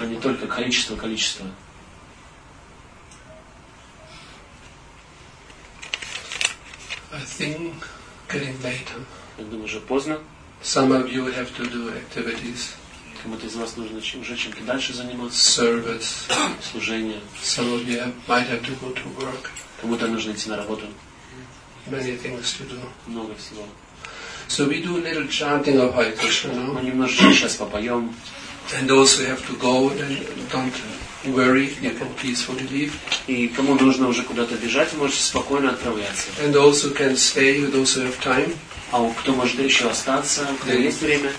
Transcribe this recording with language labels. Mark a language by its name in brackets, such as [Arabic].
[Russian] А не только количество, количество. [English] I think getting late. [Russian] Я думаю, уже поздно. [English] Some of you have to do activities. [Russian] Кому-то из вас нужно уже чем-то дальше заниматься. [English] Service. [Russian] Служение. [English] Some of you might have to go to work. [Russian] Кому-то нужно идти на работу. [English] Many things to do. [Russian] Много всего. [English] So we do a little chanting of Hare Krishna. No? [Russian] Мы немножечко сейчас попоем. [English] And those who have to go, don't worry, you can peacefully leave. [Russian] И кому нужно уже куда-то бежать, можете спокойно отправляться. [English] And also can stay, those who have time. [Russian] А кто может еще остаться, кто есть время,